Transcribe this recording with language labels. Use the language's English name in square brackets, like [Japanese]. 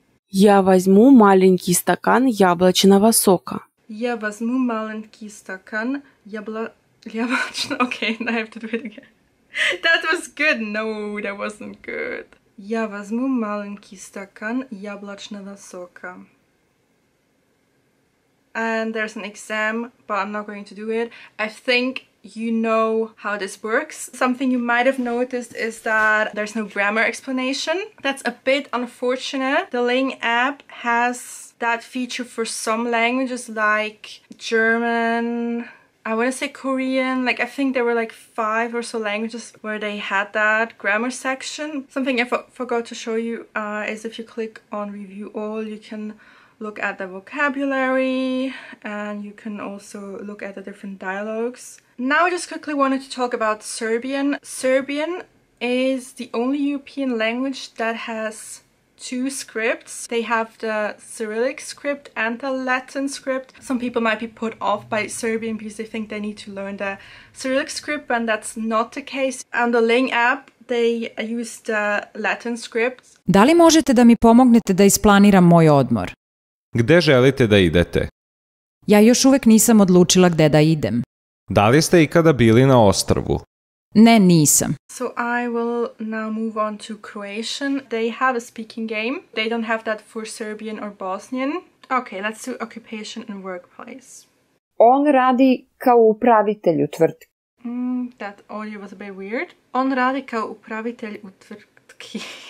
[Russian] Я возьму маленький стакан яблочного сока. Я возьму маленький стакан яблочного... [English] Okay, now I have to do it again. That was good. No, that wasn't good. [Russian] Я возьму маленький стакан яблочного сока. [English] And there's an exam, but I'm not going to do it. I think you know how this works. Something you might have noticed is that there's no grammar explanation. That's a bit unfortunate. The Ling app has that feature for some languages like German, I want to say Korean. Like, I think there were like five or so languages where they had that grammar section. Something I forgot to show you is if you click on review all, you can look at the vocabulary, and you can also look at the different dialogues. Now I just quickly wanted to talk about Serbian. Serbian is the only European language that has two scripts. They have the Cyrillic script and the Latin script. Some people might be put off by Serbian because they think they need to learn the Cyrillic script, and that's not the case. On the Ling app, they use the Latin script. [Serbian] Da li možete da mi pomognete da isplaniram moj odmor? Gde želite da idete? Ja još uvek nisam odlučila gde da idem. Da li ste ikada bili na ostrvu? Ne, nisam. [English] So I will now move on to Croatian. They have a speaking game. They don't have that for Serbian or Bosnian. Okay, let's do occupation and workplace. [Croatian] On radi kao upravitelj u tvrtki. [English] That audio was a bit weird. [Croatian] On radi kao upravitelj u tvrtki.